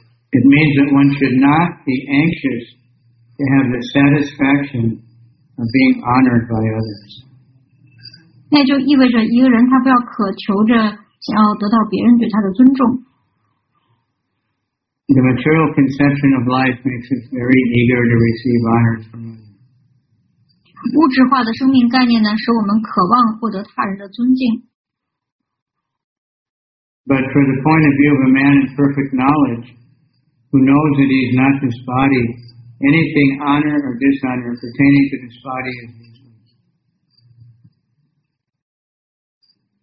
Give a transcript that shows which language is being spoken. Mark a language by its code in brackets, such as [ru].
[en] It means that one should not be anxious to have the satisfaction of being honored by others. [zh] 那就意味着一个人他不要渴求着想要得到别人对他的尊重。 [en] The material conception of life makes us very eager to receive honors from others. [zh] 物质化的生命概念呢，使我们渴望获得他人的尊敬。 [en] But from the point of view of a man in perfect knowledge, who knows that he is not this body, anything honor or dishonor pertaining to this body is useless.